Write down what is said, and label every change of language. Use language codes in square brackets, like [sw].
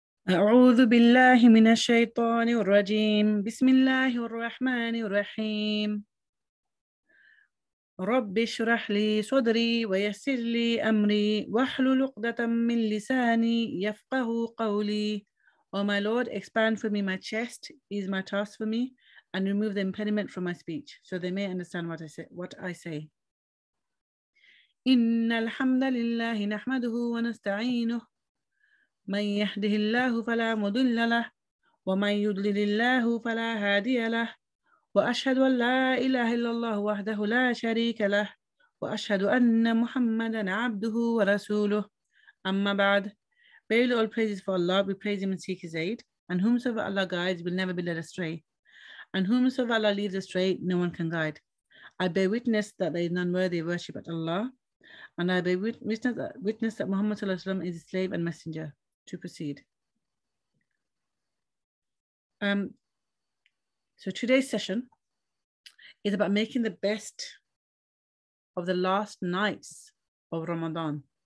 [ar] أعوذ بالله من الشيطان الرجيم. بسم الله الرحمن الرحيم. رب اشرح لي صدري ويسر لي أمري واحلل عقدة من لساني يفقه قولي. [en] Oh my Lord, expand for me my chest, ease my task for me, and remove the impediment from my speech, so they may understand what I say. [ar] إن الحمد لله نحمده ونستعينه من يهده الله فلا مضل له ومن يضلل الله فلا هادي له وأشهد أن لا إله إلا الله وحده لا شريك له وأشهد أن محمدا عبده ورسوله أما بعد [en] Verily all praises for Allah, we praise Him and seek His aid, and whomsoever Allah guides will never be led astray, and whomsoever Allah leads astray, no one can guide. I bear witness that there is none worthy of worship but Allah, and I bear witness that Muhammad sallallahu alaihi wasallam is a slave and messenger. To proceed. So today's session is about making the best of the last nights of Ramadan.